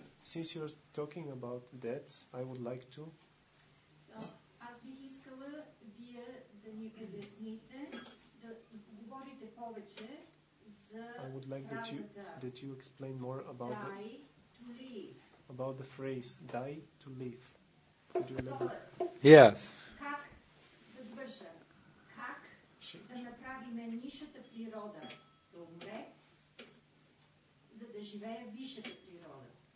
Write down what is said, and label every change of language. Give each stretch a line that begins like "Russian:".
English: Since you're talking about death, I would like to...
Bulgarian: Аз бих искала вие да ни обясните, да говорите повече,
English: I would like that you explain more about die the to live. About the phrase die to live. Could you elaborate? Yes.
Bulgarian: Как да върша? Как да направим нишата природа да умре, за да живее висшата природа?